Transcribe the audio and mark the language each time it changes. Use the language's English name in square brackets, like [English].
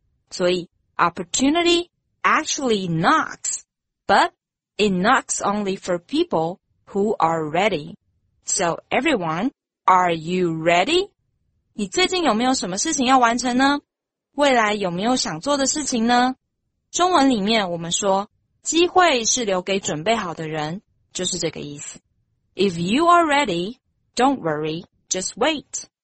[English] 所以 opportunity actually knocks， but it knocks only for people who are ready。 So everyone, are you ready? [Chinese] 你最近有没有什么事情要完成呢？未来有没有想做的事情呢？中文里面我们说，机会是留给准备好的人，就是这个意思。 [English] If you are ready, don't worry, just wait.